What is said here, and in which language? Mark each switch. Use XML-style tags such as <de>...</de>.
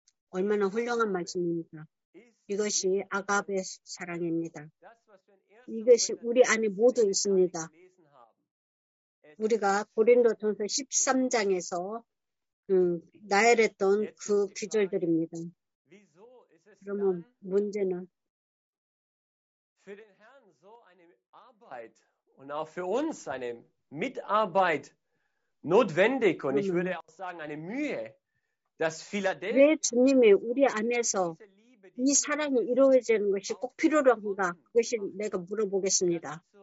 <ko>얼마나 훌륭한 말씀입니까? 이것이 아가베 사랑입니다. 이것이 우리 안에 모두 있습니다. 우리가 고린도전서 13장에서 나열했던 그 구절들입니다. 그러면 문제는</ko> <de>für den Herrn so eine Arbeit und auch für uns eine Mitarbeit notwendig und ich würde auch sagen eine Mühe, dass Philadelphia</de> <ko>왜 주님이 우리 안에서 이 사랑이 이루어지는 것이 꼭 필요한가? 그것이 내가 물어보겠습니다.</ko>